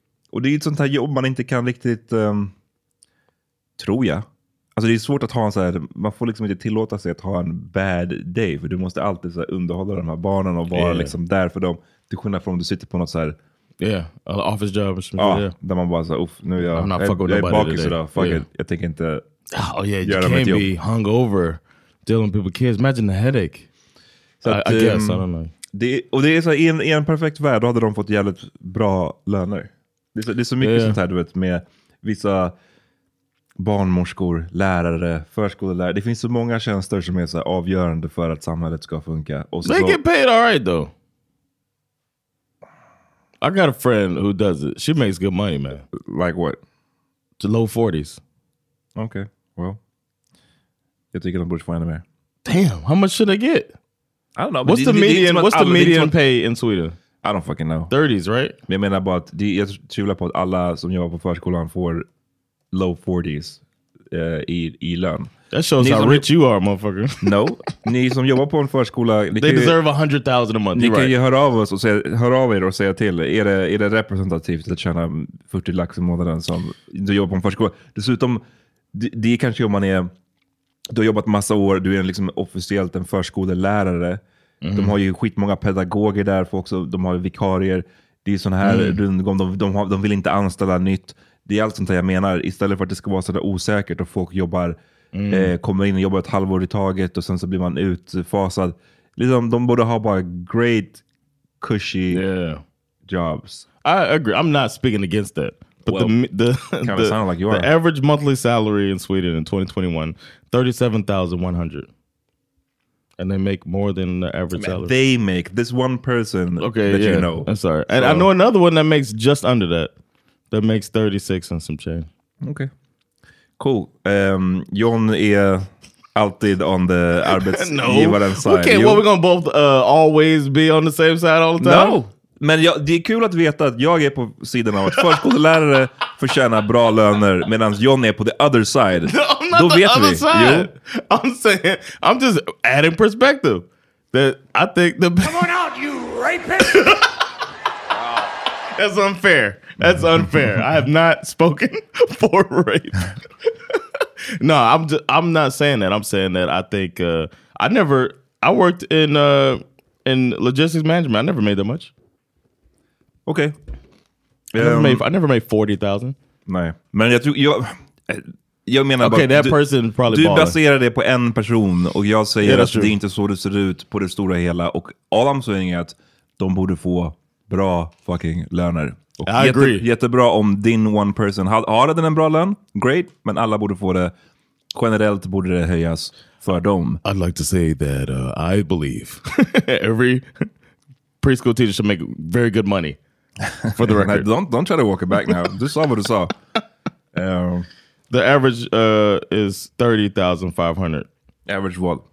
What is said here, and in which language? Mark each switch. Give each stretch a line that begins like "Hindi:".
Swedish: Och det är ett sånt här jobb man inte kan riktigt tror jag. Alltså det är svårt att ha en så här, man får liksom inte tillåta sig att ha en
English: bad day,
Swedish: för du måste alltid så här underhålla de här barnen och vara liksom där för dem. Till skillnad från om du sitter på något så här
English: office job
Swedish: eller så. Där man bara så här, uff, nu är jag bakis idag. Fuck it, jag tänker inte.
English: Oh yeah, you can't be hungover dealing with people's kids. Imagine the headache.
Swedish: Så att,
English: I guess, I don't know.
Swedish: Och det är så i en perfekt värld, då hade de fått jävligt bra löner. Det är så mycket sånt här, du vet, med vissa barnmorskor, lärare, förskolelärare. Det finns så många tjänster som är så avgörande för att samhället ska funka. Och
English: they get paid all right, though. I got a friend who does it. She makes good money, man. Like what? The low 40s. Okay, well,
Swedish: jag tycker de borde få ännu mer.
English: Damn, how much should I get? I don't know. What's the median? What's the median pay in Sweden? I don't fucking know. 30s, right?
Swedish: Jag menar bara att jag tvivlar på att alla som jobbar på förskolan får
English: low 40s
Swedish: i lön.
English: That shows
Swedish: ni
English: how rich you are, motherfucker. No,
Swedish: ni som jobbar på en förskola,
English: they deserve 100,000 a month.
Swedish: Ni
English: right.
Swedish: kan ju höra av oss och säga, hör av er och säga till, är det representativt att tjäna 40 lax i månaden som du jobbar på en förskola? Dessutom, det är kanske om man är, du har jobbat massa år, du är liksom officiellt en förskolelärare. Mm-hmm. De har ju skitmånga pedagoger där, folk också, de har vikarier. Det är sån här rundgång, de vill inte anställa nytt. Det är allt sånt här jag menar, istället för att det ska vara sådär osäkert och folk jobbar, kommer in och jobbar ett halvår i taget och sen så blir man utfasad. Liksom, de borde ha bara
English: great, cushy jobs. I agree, I'm not speaking against that. But well, the sound like you are. The average monthly salary in Sweden in 2021, 37,100. And they make more than the average salary. They make this one person you know. I'm sorry. And I know another one that makes just under that. That makes 36 and some change. Okay. Cool.
Swedish: John är alltid
English: on the
Swedish: arbetsgivaren
English: side. Okay, we're going to both always be on the same side all the time? No.
Swedish: Men det är kul att veta att jag är på sidan av att förskolelärare förtjänar bra löner medan John är på
English: the other side.
Swedish: Då vet vi.
English: I'm saying, I'm just adding perspective. That I think the come on out, you rapist. That's unfair. That's unfair. I have not spoken for rape. No, I'm not saying that. I'm saying that I think I worked in logistics management. I never made that much. Okay. I never made 40,000.
Swedish: Nej. Men jag tror jag menar
English: okay,
Swedish: bara,
English: that person probably
Swedish: du baserar det på en person och jag säger att
English: true.
Swedish: Det är inte så det ser ut på det stora hela och
English: all I'm saying
Swedish: är att de borde få bra fucking löner. Och
English: I agree.
Swedish: Jättebra om din
English: one person
Swedish: har den en bra lön,
English: great,
Swedish: men alla borde få det. Generellt borde det höjas för dem.
English: I'd like to say that I believe every preschool teacher should make very good money for the record. don't try to walk it back now.
Swedish: Du sa vad du sa.
English: The average is 30,500. Average what?